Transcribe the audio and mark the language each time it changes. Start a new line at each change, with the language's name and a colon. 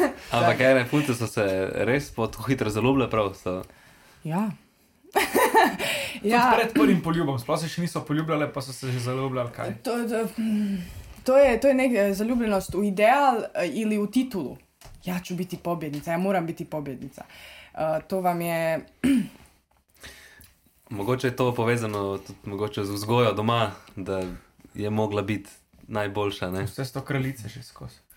Slovenian: A pa kaj ne, punce su se res potko hitro zalubile pravosto. Ja. Ja. Tudi pred prvim poljubom, sploh se še niso poljubljale, pa so se že zaljubljali, kaj?
Croatian: To je zaljubljenost u ideal ili u titulu. Ja ću biti pobjednica, ja moram biti pobjednica. To vam je...
Slovenian: Mogoče je to povezano, tudi mogoče z vzgojo doma, da je mogla biti najboljša, ne? Vse sto kraljice že skozi.